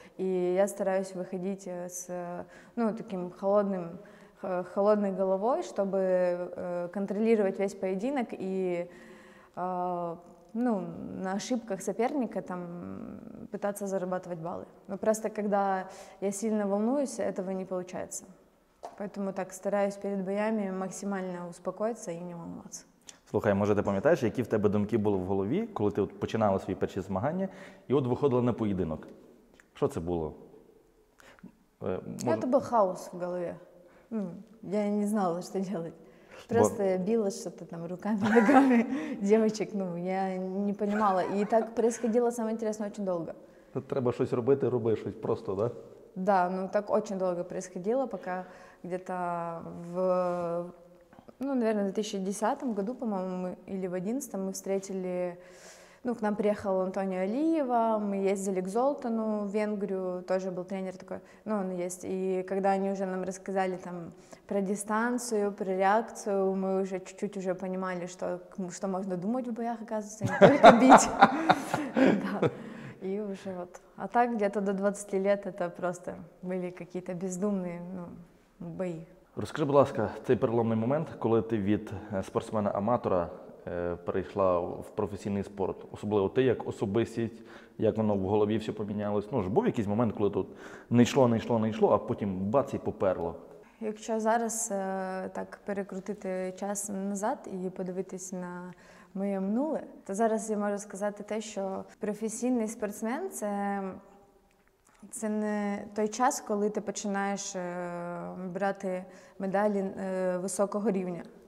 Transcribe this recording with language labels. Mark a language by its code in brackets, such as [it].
[ru] И я стараюсь выходить с, таким холодной головой, чтобы контролировать весь поединок и на ошибках соперника там пытаться зарабатывать баллы. Но просто когда я сильно волнуюсь, этого не получается. Поэтому так стараюсь перед боями максимально успокоиться и не волноваться. [uk] Слухай, може, ти пам'ятаєш, які в тебе думки були в голові, коли ти от починала свої перші змагання і от виходила на поєдинок? Що це було? Це був хаос в голові. Я не знала, що робити. [ru] Просто била что-то там руками, ногами девочек, ну, я не понимала. И так происходило, самое интересное, очень долго. [uk] Тут треба что-то робити, роби что-то просто, да? [ru] Да, ну, так очень долго происходило, пока где-то в, ну, наверное, в 2010 году, по-моему, мы, или в 2011 мы встретили, ну, к нам приехал Антонио Алиева, мы ездили к Золтану в Венгрию, тоже был тренер такой, ну, он есть, и когда они уже нам рассказали там про дистанцию, про реакцию, мы уже чуть-чуть уже понимали, что, что можно думать в боях, оказывается, не только бить. Да. И уже вот. А так где-то до 20 лет это просто были какие-то бездумные, ну, бои. [uk] Розкажи, будь ласка, цей переломний момент, коли ти від спортсмена-аматора перейшла в професійний спорт, особливо ти як особистість, як воно в голові все помінялось. Ну ж був якийсь момент, коли тут не йшло, а потім бац і поперло. Якщо зараз так перекрутити час назад і подивитись на моє минуле, то зараз я можу сказати те, що професійний спортсмен – це не той час, коли ти починаєш брати медалі високого рівня.